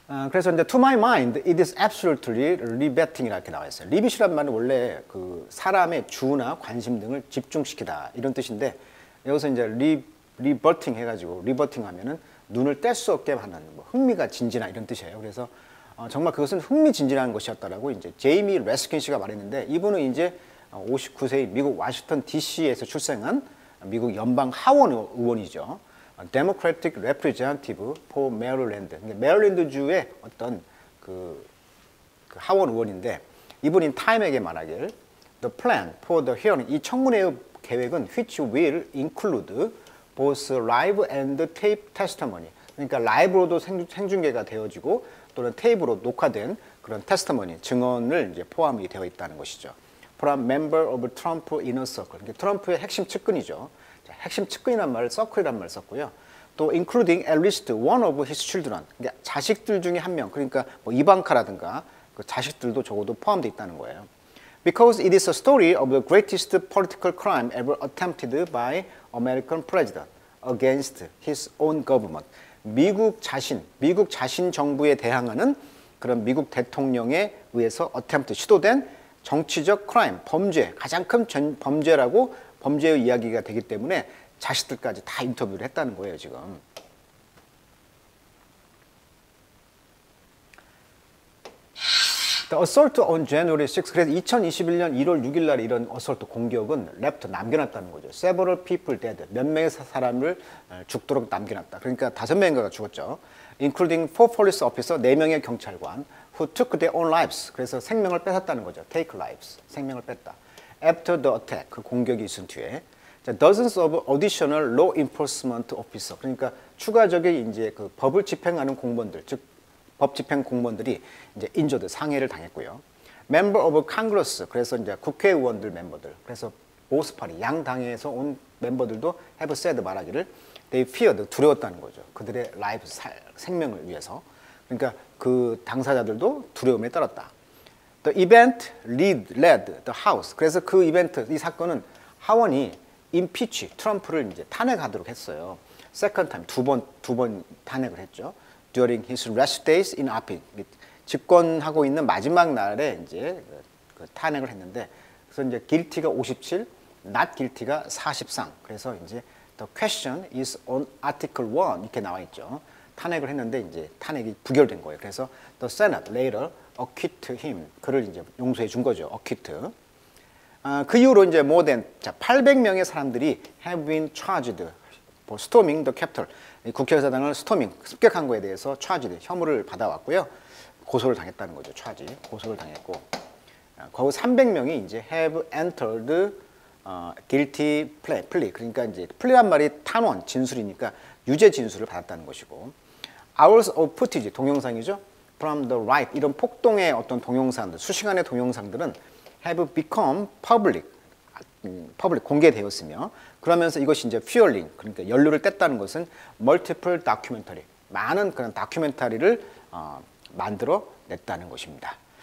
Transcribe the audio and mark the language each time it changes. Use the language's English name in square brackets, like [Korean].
[English] 그래서 이제 to my mind, it is absolutely riveting 이렇게 나와 있어요. [Korean] 리빗이란 말은 원래 그 사람의 주나 관심 등을 집중시키다 이런 뜻인데 여기서 이제 리버팅 해가지고 리버팅 하면은 눈을 뗄 수 없게 하는 뭐 흥미가 진진한 이런 뜻이에요. 그래서 정말 그것은 흥미진진한 것이었다라고 이제 제이미 레스킨 씨가 말했는데 이분은 이제 59세의 미국 워싱턴 DC에서 출생한 미국 연방 하원 의원이죠. [English] Democratic Representative for Maryland. 그러니까 메릴랜드 주의 어떤 그 하원 의원인데 이분이 타임에게 말하길 The plan for the hearing, 이 청문회의 계획은 which will include both live and tape testimony. [Korean] 그러니까 라이브로도 생중계가 되어지고 또는 테이프로 녹화된 그런 테스터머니, 증언을 이제 포함이 되어 있다는 것이죠. [English] For a member of Trump inner circle. [Korean] 그러니까 트럼프의 핵심 측근이죠. 핵심 측근이란 말을 서클이란 말을 썼고요. [English] 또 including at least one of his children. [Korean] 그러니까 자식들 중에 한 명. 그러니까 뭐 이방카라든가 그 자식들도 적어도 포함되어 있다는 거예요. [English] Because it is a story of the greatest political crime ever attempted by American president against his own government. [Korean] 미국 자신 정부에 대항하는 그런 미국 대통령에 의해서 attempt, 시도된 정치적 crime, 범죄, 가장 큰 범죄라고 범죄의 이야기가 되기 때문에 자식들까지 다 인터뷰를 했다는 거예요, 지금. 또 assault on January 6th, 그래서 2021년 1월 6일 날 이런 assault 공격은 랩터 남겨놨다는 거죠. Several people dead, 몇 명의 사람을 죽도록 남겨놨다. 그러니까 다섯 명인가가 죽었죠. [English] Including four police officers, 네 명의 경찰관 who took their own lives, 그래서 생명을 뺏었다는 거죠. [Korean] Take lives, 생명을 뺐다. After the attack, 그 공격이 있은 뒤에 dozens of additional law enforcement officers, 그러니까 추가적인 이제 그 법을 집행하는 공무원들, 즉 법 집행 공무원들이 이제 인조드 상해를 당했고요. Member of Congress, 그래서 이제 국회의원들 멤버들, 그래서 보스 파리 양 당에서 온 멤버들도 have said 말하기를 they feared, 두려웠다는 거죠. 그들의 life, 생명을 위해서. 그러니까 그 당사자들도 두려움에 떨었다. [English] The event led the House. [Korean] 그래서 그 이벤트, 이 사건은 하원이 impeach 트럼프를 이제 탄핵하도록 했어요. Second time, 두 번 탄핵을 했죠. During his last days in office, 집권하고 있는 마지막 날에 이제 그 탄핵을 했는데, 그래서 이제 guilty가 57, not guilty가 43. [English] 그래서 이제 the question is on Article 1 이렇게 나와 있죠. [Korean] 탄핵을 했는데 이제 탄핵이 부결된 거예요. [English] 그래서 the Senate later acquit him. [Korean] 그를 이제 용서해 준 거죠. [English] Acquit. 그 이후로 이제 more than 800명의 사람들이 have been charged for storming the Capitol. [Korean] 국회의사당을 storming, 습격한 거에 대해서 charged, 혐의를 받아왔고요. 고소를 당했다는 거죠. charge. 고소를 당했고. [English] 거의 300명이 이제 have entered guilty plea. [Korean] 그러니까 이제 plea란 말이 탄원, 진술이니까 유죄 진술을 받았다는 것이고. [English] Hours of footage, 동영상이죠. [Korean] From the riot, 이런 폭동의 어떤 동영상들, 수시간의 동영상들은 have become public, 공개되었으며, 그러면서 이것이 이제 fueling, 그러니까 연료를 뗐다는 것은 multiple documentary, 많은 그런 다큐멘터리를 만들어 냈다는 것입니다.